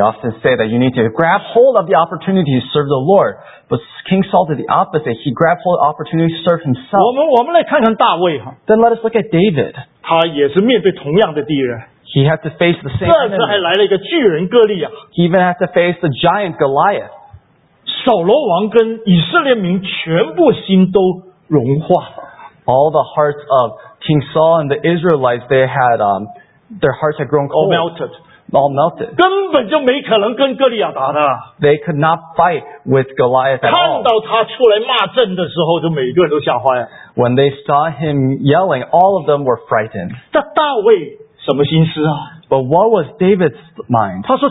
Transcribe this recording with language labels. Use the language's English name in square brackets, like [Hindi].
[English] often say that you need to grab hold of the opportunity to serve the Lord, but King Saul did the opposite. He grabbed hold of the opportunity to serve himself. [Chinese] 我们来看看大卫哈。 [English] Then let us look at David. [Chinese] 他也是面对同样的敌人。 [English] He had to face the same enemy. [Chinese] 这次还来了一个巨人哥利亚。 [English] He even had to face the giant Goliath. [Chinese] 扫罗王跟以色列民全部心都融化。 [English] All the hearts of King Saul and the Israelites, they had, their hearts had grown cold. All melted. All melted. [Chinese] 根本就没可能跟哥利亚打的。 [English] They could not fight with Goliath at all. [Chinese] 看到他出来骂阵的时候，就每个人都吓坏了。 [English] When they saw him yelling, all of them were frightened. [Chinese] 这大卫。什么心思啊? [English] But what was David's mind?